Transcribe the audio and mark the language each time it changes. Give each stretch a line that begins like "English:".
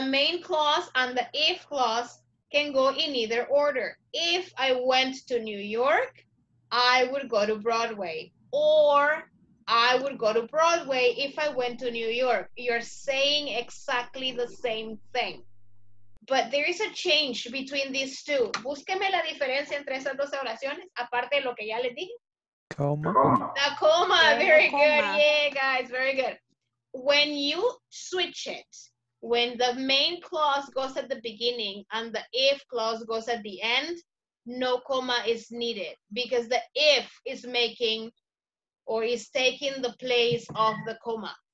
English: The main clause and the if clause can go in either order. If I went to New York, I would go to Broadway. Or I would go to Broadway if I went to New York. You're saying exactly the same thing. But there is a change between these two.
Spanish: Búsqueme la diferencia entre esas dos oraciones, aparte de lo que ya les dije. Coma.
English: The coma, very good. Yeah, guys, very good. When you switch it, when the main clause goes at the beginning and the if clause goes at the end, no coma is needed because the if is making or is taking the place of the coma.